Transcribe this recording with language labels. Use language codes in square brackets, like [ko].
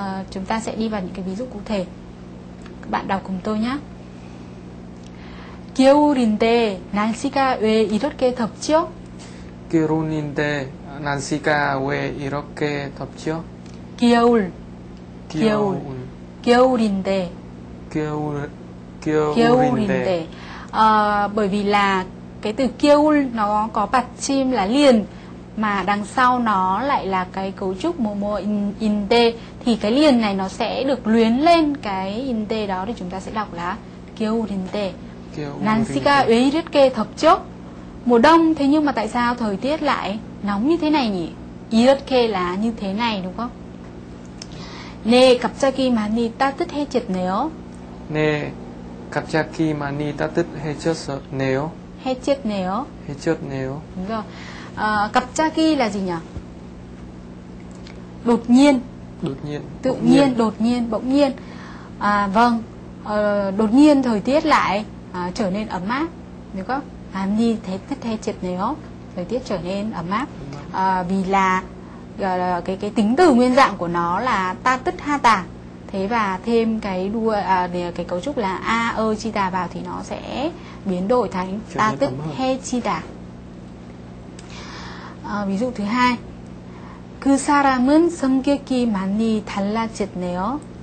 [vi] Chúng ta sẽ đi vào những cái ví dụ cụ thể, các bạn đọc cùng tôi nhé. [ko] 겨울인데 날씨가 왜 이렇게 덥죠? 겨울인데 날씨가 왜 이렇게 덥죠? 겨울인데. [vi] Bởi vì là cái từ 겨울 nó có받침 là liền, mà đằng sau nó lại là cái cấu trúc 뭐뭐 인데, thì cái liền này nó sẽ được luyến lên cái 인데 đó, thì chúng ta sẽ đọc là 겨울인데. [ko] 날씨가 왜 이렇게 덥죠? [vi] Mùa đông, thế nhưng mà tại sao thời tiết lại nóng như thế này nhỉ? 이렇게 là như thế này, đúng không? [ko] 네, 갑자기 많이 따뜻해졌네요. 네, 갑자기 많이 따뜻해졌네요. 해졌네요. 해졌네요. 그러니까 갑자기 [vi] là gì nhỉ? Đột nhiên. Đột nhiên. Tự nhiên, đột nhiên, bỗng nhiên. À vâng, đột nhiên thời tiết lại trở nên ấm áp, đúng không? Hàn ni thế tất thế triệt này không? Thời tiết trở nên ấm áp. Vì là cái tính từ nguyên dạng của nó là ta tất ha tà. Thế và thêm cái cấu trúc là a ơ chi tà vào thì nó sẽ biến đổi thành ta tất he chi tà. Ví dụ thứ hai. [ko] 그 사람은 성격이 많이 달라졌네요.